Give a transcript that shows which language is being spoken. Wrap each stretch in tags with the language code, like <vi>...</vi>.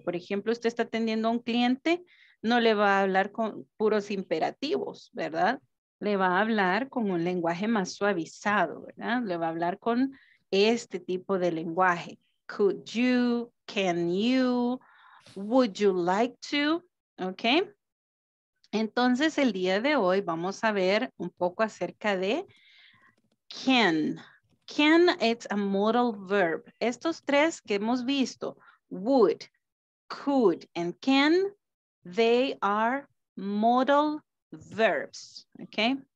<es>Por ejemplo, usted está atendiendo a un cliente, no le va a hablar con puros imperativos, ¿verdad? Le va a hablar con un lenguaje más suavizado, ¿verdad? Le va a hablar con este tipo de lenguaje.</es> <en>Could you, can you, would you like to, ¿ok?</en> <es>Entonces, el día de hoy vamos a ver un poco acerca de can.</es> <en>Can, it's a modal verb.</en> <es>Estos tres que hemos visto,</es> <en>would, could, and can, they are modal verbs. Okay?</en>